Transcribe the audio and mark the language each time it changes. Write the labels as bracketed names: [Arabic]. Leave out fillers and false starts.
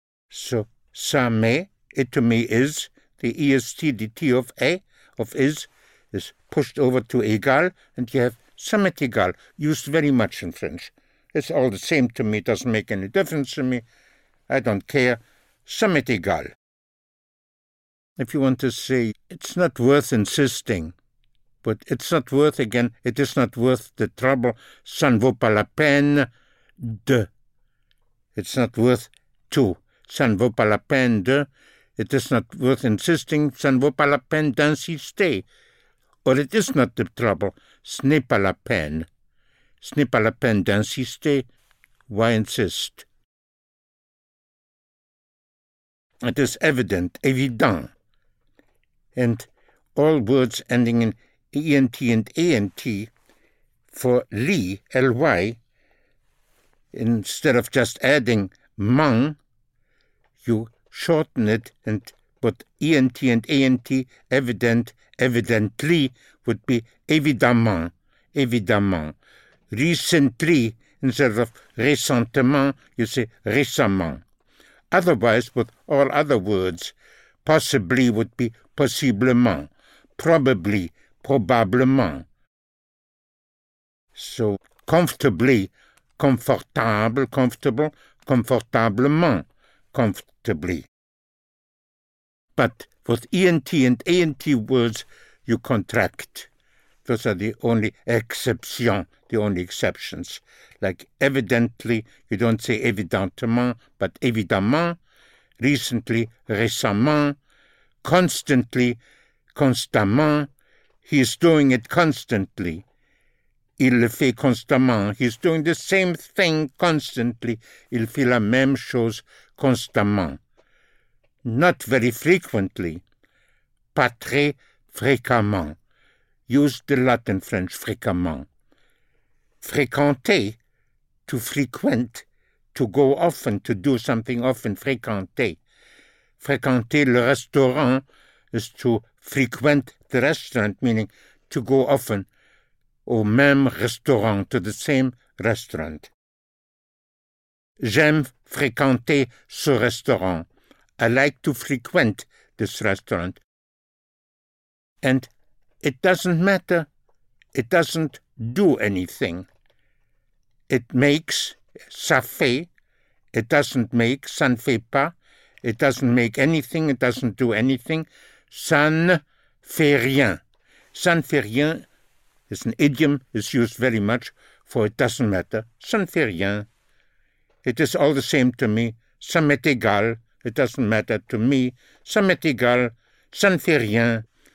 [English] So, [French] ça m'est, [English] it to me is, the E-S-T-D-T of A, of is pushed over to égal, and you have [French] ça m'est égal, [English] used very much in French. It's all the same to me, it doesn't make any difference to me. I don't care. [French] Ça m'est égal. [English] If you want to say, it's not worth insisting, but it's not worth, again, it is not worth the trouble. [French] Ça ne vaut pas la peine de. [English] It's not worth to. [French] Ça ne vaut pas la peine de. [English] It is not worth insisting. [French] Ça ne vaut pas la peine d'insister. [English] Or it is not the trouble. [French] Ce n'est pas la peine. Ce n'est pas la peine d'insister. [English] Why insist? It is evident. Évident. And all words ending in ENT and ANT for Li, LY, instead of just adding Mang, you shorten it and put ENT and ANT, evident, evidently, would be évidemment, évidemment. Recently, instead of récentement, you say récemment. Otherwise, with all other words, possibly would be possiblement, probably, probablement. So, comfortably, comfortable, comfortable, comfortablement, comfortably. But with ENT and ANT words, you contract. Those are the only exceptions, the only exceptions. Like evidently, you don't say évidemment, but évidemment. Recently, récemment. Constantly, constamment. He is doing it constantly. [French] Il le fait constamment. [English] He's doing the same thing constantly. [French] Il fait la même chose constamment. [English] Not very frequently. [French] Pas très fréquemment. [English] Use the Latin French fréquemment. Fréquenter, to frequent, to go often, to do something often, fréquenter. [French] Fréquenter le restaurant [English] is to frequent the restaurant, meaning to go often [French] au même restaurant, [English] to the same restaurant. [French] J'aime fréquenter ce restaurant. [English] I like to frequent this restaurant. And it doesn't matter. It doesn't do anything. It makes, [French] ça fait. [English] It doesn't make, [French] ça ne fait pas. [English] It doesn't make anything, it doesn't do anything. [French] Ça ne fait rien. Ça ne fait rien [English] is an idiom, is used very much for it doesn't matter. [French] Ça ne fait rien. [English] It is all the same to me. [French] Ça m'est égal. [English] It doesn't matter to me. [French] Ça m'est égal. Ça ne fait rien.